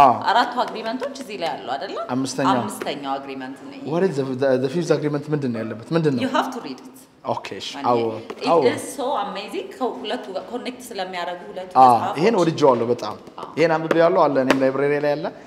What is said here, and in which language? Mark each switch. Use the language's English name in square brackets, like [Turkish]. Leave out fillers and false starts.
[Amharic] አራቱ አግሪመንቶች እዚህ ላይ አሉ አይደል? አምስተኛው አግሪመንት ነው. [English] What is the Thieves Agreement [Amharic] ምንድነው ያለበት? ምንድነው? [English] You have to read it. Okay. I will. It is so amazing. [Amharic] ሁለቱ connect ስለሚያደርጉ ሁለቱ ተጻፉ. ይሄን ወድጄዋለሁ በጣም. ይሄን አንብቤያለሁ አለ እኔም ላይብረሪ ላይ አለ.